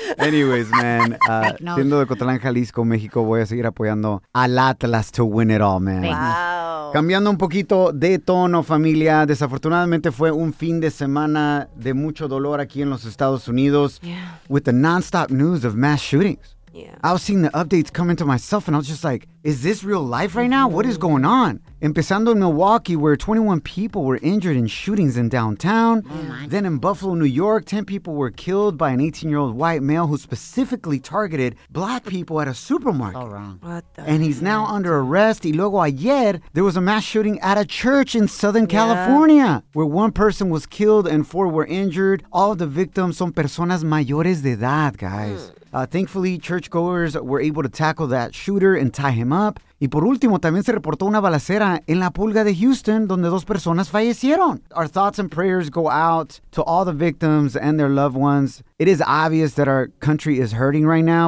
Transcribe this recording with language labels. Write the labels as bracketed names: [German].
[Spanish] Anyways, man, siendo de Cotlán, Jalisco, México, voy a seguir apoyando al Atlas [English] to win it all, [Spanish] man. [English] Wow. [Spanish] Cambiando un poquito de tono, familia, desafortunadamente fue un fin de semana de mucho dolor aquí en los Estados Unidos. [English] Yeah. With the nonstop news of mass shootings. Yeah. I was seeing the updates come into myself and I was just like, is this real life right now? What is going on? [Spanish] Empezando [English] in Milwaukee, where 21 people were injured in shootings in downtown. Then in Buffalo, New York, 10 people were killed by an 18-year-old white male who specifically targeted black people at a supermarket. All wrong. What the and he's now under arrest. [Spanish] Y luego ayer, [English] there was a mass shooting at a church in Southern California, where one person was killed and four were injured. All of the victims [Spanish] son personas mayores de edad, [English] guys. Thankfully, churchgoers were able to tackle that shooter and tie him up. [Spanish] Y por último, también se reportó una balacera en La Pulga de Houston, donde dos personas fallecieron. [English] Our thoughts and prayers go out to all the victims and their loved ones. It is obvious that our country is hurting right now.